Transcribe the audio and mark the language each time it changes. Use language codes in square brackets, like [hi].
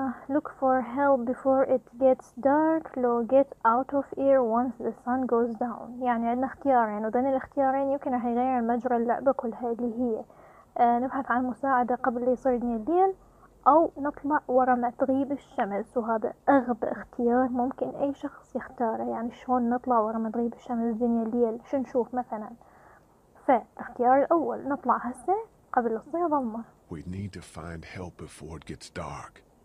[en] Look for help before it gets dark. Lo, get out of here once the sun goes down. [ar] يعني عندنا اختيارين وذن الاختيارين يمكن راح يغير مجرى اللعبة كلها اللي هي نبحث عن مساعدة قبل يصير الليل أو نطلع ورا ما تغيب الشمس، وهذا أغبى اختيار ممكن أي شخص يختاره. يعني شلون نطلع ورا ما تغيب الشمس دنيا الليل؟ شو نشوف مثلا؟ فالاختيار الأول نطلع هسه قبل تصير ظلمة. [en] We need to find help before it gets dark.